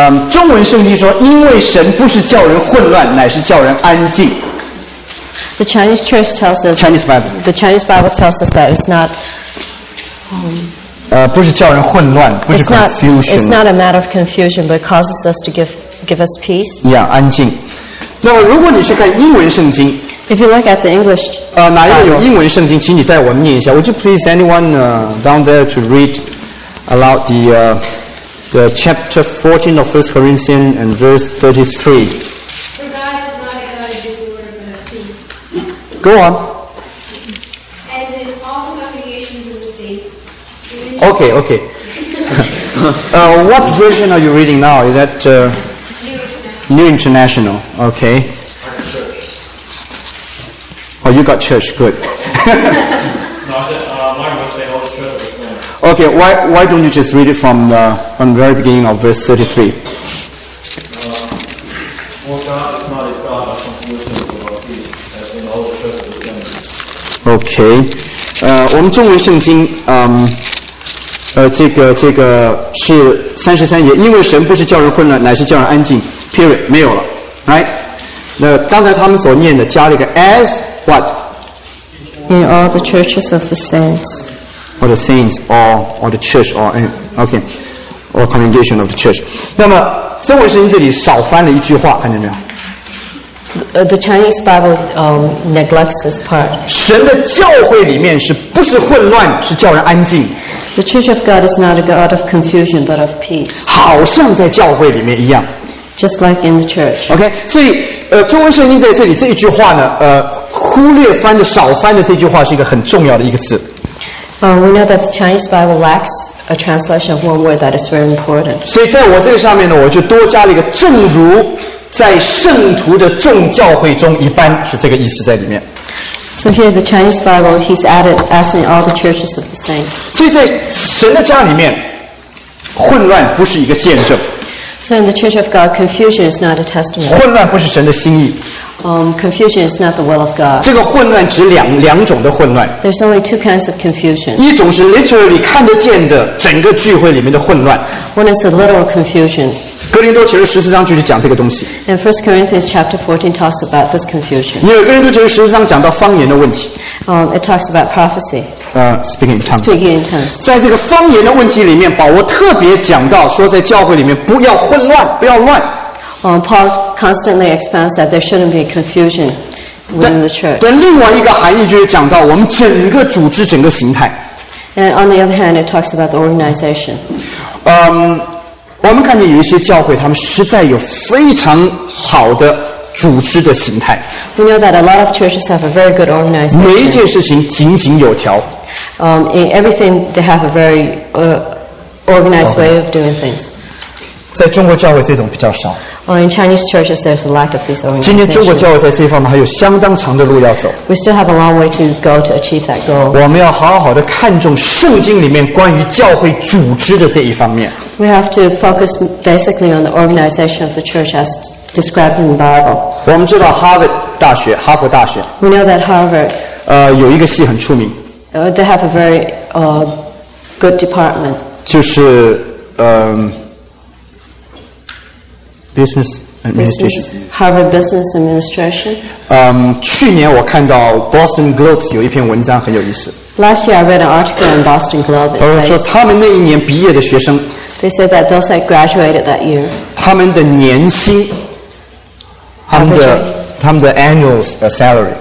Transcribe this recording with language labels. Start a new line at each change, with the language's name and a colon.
Chinese: 中文圣经说，因为神不是叫人混乱，乃是叫人安静。
English: The Chinese church tells us. Chinese Bible. The Chinese Bible tells us that it's not.
Chinese: 不是叫人混乱，不是 confusion.
English: It's not a matter of confusion, but it causes us to give us peace.
Chinese: Yeah, 安静。那么，如果你去看英文圣经。
English: If you look at the English,
Chinese: 哪一位有英文圣经，请你带我们念一下。
English: Would you please anyone down there to read aloud the chapter 14 of 1 Corinthians and verse 33? For God is not a God of disorder, but of peace. Go on. And in all the congregations of the saints. Okay, okay. what version are you reading now? Is that New International? Okay. Oh, you got church, good. No, I said, my birthday, all the church. Okay, why don't you just read it from the very beginning of verse 33? For God is not a God, but something with him for our peace, as in all the church is done.
Chinese: Okay, 我们中文圣经这个是33节，因为神不是叫人混乱，乃是叫人安静。 Period, 没有了 ，right? 那刚才他们所念的加了一个 as。
English: What? In all the churches of the saints. Or the saints, or the church, or okay, or congregation of the church.
Chinese: 那么中文圣经这里少翻了一句话，看见没有？
English: The Chinese Bible neglects this part.
Chinese: 神的教会里面是不是混乱，是叫人安静。
English: The church of God is not a God of confusion, but of peace.
Chinese: 好像在教会里面一样。
English: Just like in the church.
Chinese: Okay, 所以中文圣经在这里这一句话呢，忽略翻的少翻的这句话是一个很重要的一个字。
English: We know that the Chinese Bible lacks a translation of one word that is very important.
Chinese: 所以在我这个上面呢，我就多加了一个“正如在圣徒的众教会中一般”，是这个意思在里面。
English: So here the Chinese Bible, he's added as in all the churches of the saints.
Chinese: 所以在神的家里面，混乱不是一个见证。
English: So in the church of God, confusion is not a testimony.
Chinese: 混乱不是神的心意。
English: Confusion is not the will of God.
Chinese: 这个混乱指两种的混乱。
English: There's only two kinds of confusion.
Chinese: 一种是 literally 看得见的整个聚会里面的混乱。
English: One is a literal confusion.
Chinese: 哥林多前书十四章就是讲这个东西。
English: And 1 Corinthians chapter 14 talks about this confusion.
Chinese: 因为哥林多前书十四章讲到方言的问题。
English: It talks about prophecy. Speaking in tongues. Speaking in tongues.
Chinese: 在这个方言的问题里面，保罗特别讲到说，在教会里面不要混乱，不要乱。
English: Paul constantly expands that there shouldn't be confusion within the church.
Chinese: 但另外一个含义就是讲到我们整个组织整个形态。
English: And on the other hand, it talks about the organization.
Chinese: 我们看见有一些教会，他们实在有非常好的组织的形态。
English: We know that a lot of churches have a very good organization.
Chinese: 每一件事情井井有条。
English: In everything, they have a very organized way of doing things.
Chinese: 在中国教会这种比较少。
English: Or in Chinese churches, there's a lack of these organizations.
Chinese: 今天中国教会在这方面还有相当长的路要走。
English: We still have a long way to go to achieve that goal.
Chinese: 我们要好好的看重圣经里面关于教会组织的这一方面。
English: We have to focus basically on the organization of the church as described in the Bible.
Chinese: 我们知道哈佛大学，哈佛大学。
English: We know that Harvard.
Chinese: 有一个系很出名。
English: They have a very good department.
Chinese: 就是Business Administration.
English: Harvard Business Administration.
Chinese: 去年我看到 Boston Globe 有一篇文章很有意思。
English: Last year I read an article in Boston Globe.
Chinese: 说他们那一年毕业的学生。
English: They said that those that graduated that year.
Chinese: 他们的年薪，他们的
English: annual salary.